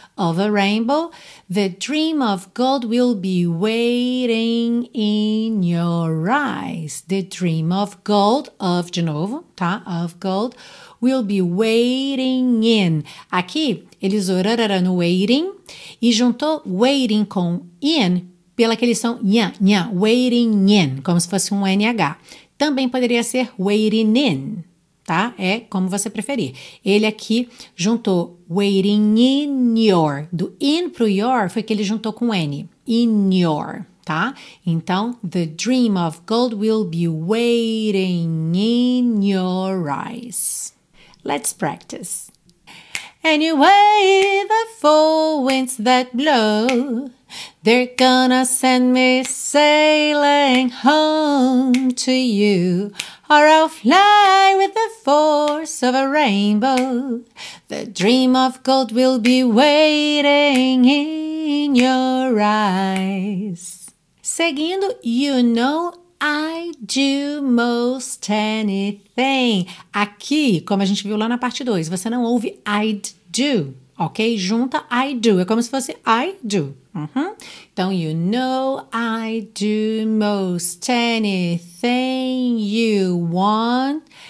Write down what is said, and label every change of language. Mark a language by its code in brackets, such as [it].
[en] Of a rainbow, the dream of gold will be waiting in your eyes. The dream of gold, of [pt] de novo, tá? [en] Of gold, will be waiting in. [pt] Aqui, ele usou rarara no waiting e juntou waiting com in pela aquele som nha, nha, waiting in, como se fosse um NH. Também poderia ser [en] waiting in. [pt] Tá? É como você preferir. Ele aqui juntou [en] waiting in your. [pt] Do in pro your foi que ele juntou com N. [en] In your, tá? [pt] Então, [en] the dream of gold will be waiting in your eyes. Let's practice. Anyway, the four winds that blow, they're gonna send me sailing home to you. Or I'll fly with the force of a rainbow. The dream of gold will be waiting in your eyes. [pt] Seguindo, [en] you know I do most anything. [pt] Aqui, como a gente viu lá na parte 2, você não ouve I'd do, ok? Junta I do, é como se fosse I do. Uhum. Então, [en] you know I do most anything you want.